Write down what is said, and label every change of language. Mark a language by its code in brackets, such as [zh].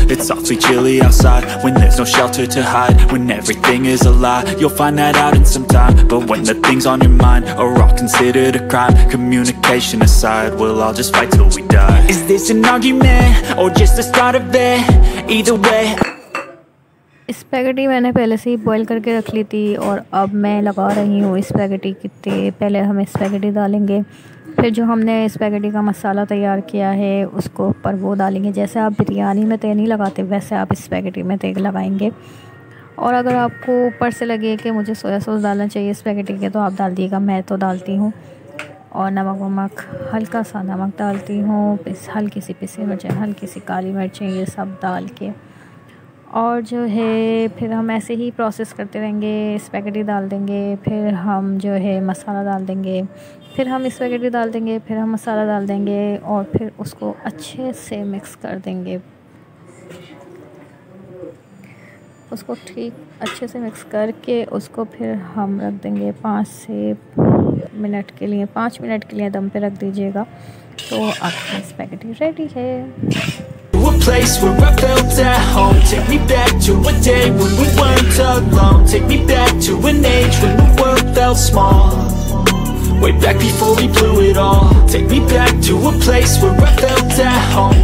[en] It's awfully chilly outside, when there's no shelter to hide. When everything is a lie, you'll find that out in some time. But when the things on your mind are all considered a crime, communication aside, we'll all just fight till we die. Is this an argument, or just the start of it? Either way. [hi] Spaghetti मैंने पहले से ही boil करके रख ली थी, और अब मैं लगा रही हूँ स्पैगेटी की तेल। पहले हम स्पैगेटी डालेंगे, फिर जो हमने स्पैगेटी का मसाला तैयार किया है उसको पर वो डालेंगे। जैसे आप बिरयानी में तेल नहीं लगाते, वैसे आप स्पैगेटी में तेल लगाएंगे। और अगर आपको ऊपर से लगे कि मुझे सोया सॉस डालना चाहिए स्पैगेटी के, तो आप डाल दीजिएगा, मैं तो डालती हूँ। और नमक वमक, हल्का सा नमक डालती हूँ, हल्की सी पिसी मिर्चें, हल्की सी काली मिर्चें, ये सब डाल के। और जो है फिर हम ऐसे ही प्रोसेस करते रहेंगे, स्पैगेटी डाल देंगे, फिर हम जो है मसाला डाल देंगे, फिर हम स्पैगेटी डाल देंगे, फिर हम मसाला डाल देंगे, और फिर उसको अच्छे से मिक्स कर देंगे। उसको ठीक अच्छे से मिक्स करके उसको फिर हम रख देंगे 5 मिनट के लिए दम पे रख दीजिएगा, तो आपकी स्पैगेटी रेडी है। [en] To a place where I felt at home. Take me back to a day when we weren't alone. Take me back to an age when the world felt small. Way back before we blew it all. Take me back to a place where I felt at home.